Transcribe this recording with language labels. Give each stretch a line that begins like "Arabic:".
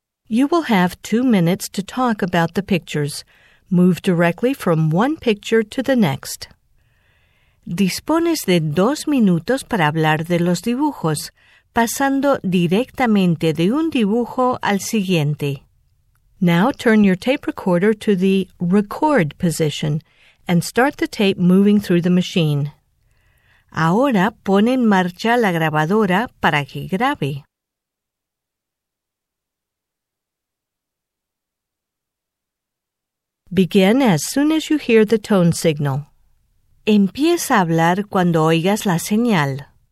English: You will have 2 minutes to talk about the pictures. Move directly from one picture to the next.
Spanish: Dispones de 2 minutos para hablar de los dibujos, pasando directamente de un dibujo al siguiente.
English: Now turn your tape recorder to the record position and start the tape moving through the machine.
Spanish: Ahora pon en marcha la grabadora para que grabe.
English: Begin as soon as you hear the tone signal.
Spanish: Empieza a hablar cuando oigas la señal.